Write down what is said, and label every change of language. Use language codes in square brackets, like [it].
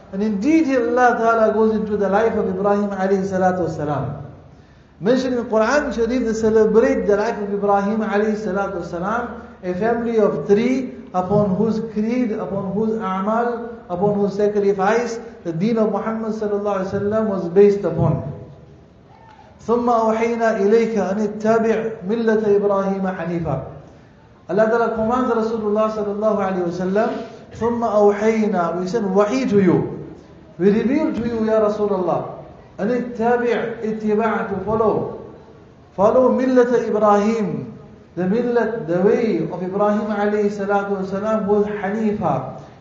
[en] And indeed Allah ta'ala goes into the life of Ibrahim alayhi salatu wasalam. Mentioned in Quran Sharif, they celebrate the life of Ibrahim alayhi salatu wasalam, a family of three, upon whose creed, upon whose a'mal, upon whose sacrifice the deen of Muhammad sallallahu alayhi wasallam was based upon. [ar] ثم أوحينا إليك أن اتبع ملة إبراهيم حنيفا. [en] Allah Ta'ala commands Rasulullah sallallahu alayhi wasallam, [ar] ثم أوحينا, [en] we send wahi to you, we reveal to you, ya Rasulullah, [ar] أن اتبع, اتباع, [en] to follow. Follow [ar] ملة إبراهيم, [en] the millat, the way of Ibrahim alayhi salatu wasalam was Hanifa.